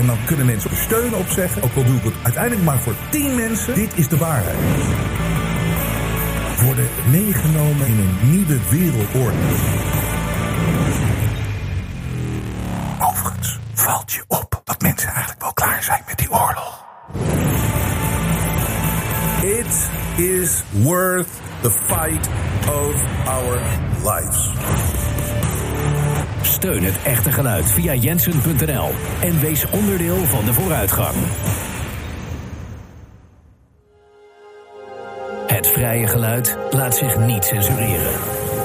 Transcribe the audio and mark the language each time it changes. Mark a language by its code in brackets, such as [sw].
[nl] En dan kunnen mensen er steun op zeggen, ook al doe ik het uiteindelijk maar voor 10 mensen. Dit is de waarheid. Worden meegenomen in een nieuwe wereldorde. Overigens valt je op dat mensen eigenlijk wel klaar zijn met die oorlog. [en] It is worth the fight of our lives. [nl] Steun het echte geluid via jensen.nl en wees onderdeel van de vooruitgang. Het vrije geluid laat zich niet censureren.